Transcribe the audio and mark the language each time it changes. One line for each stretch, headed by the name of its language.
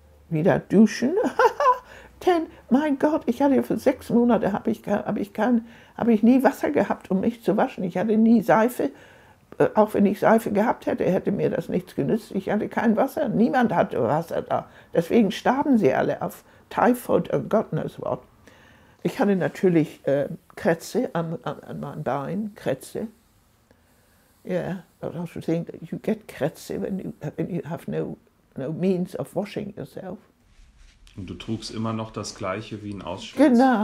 German: Denn, mein Gott, ich hatte für 6 Monate habe ich nie Wasser gehabt, um mich zu waschen. Ich hatte nie Seife. Auch wenn ich Seife gehabt hätte, hätte mir das nichts genützt. Ich hatte kein Wasser. Niemand hatte Wasser da. Deswegen starben sie alle auf Typhoid und
English: God knows what.
German: Ich hatte natürlich Krätze an meinem Bein, Krätze.
English: Yeah, but also think that you get Krätze when you have no means of washing yourself.
German: Und du trugst immer noch das gleiche wie in Auschwitz.